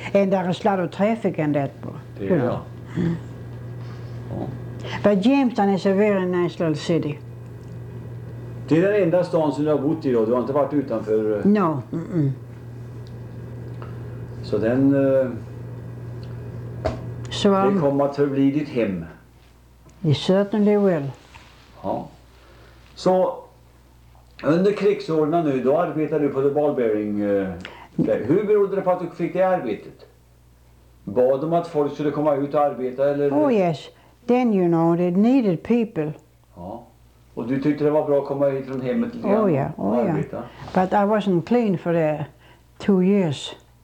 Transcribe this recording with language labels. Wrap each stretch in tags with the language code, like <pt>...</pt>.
<en>And there is a lot of traffic in that bro.</en> <sv>Det det, ja.</sv> <en>But Jamestown is a very nice little city.</en> <sv>Det är den enda stan som du har bott i då? Du har inte varit utanför...</sv> <en>No.</en> <sv>Så den...</sv> <en>So,</en> <sv>det kommer att förbli ditt hem.</sv> <en>It certainly will.</en> <sv>Ja. Så... Under krigsåren nu, då arbetade du på The Ball Bearing. Hur berodde det på att du fick det arbetet? Bad de att folk skulle komma ut och arbeta eller?</sv> <en>Oh yes, then you know, they needed people.</en> <sv>Ja, och du tyckte det var bra att komma hit från hemmet lite grann och arbeta?</sv> <en>Oh yeah, but I wasn't clean for the 2 years.</en>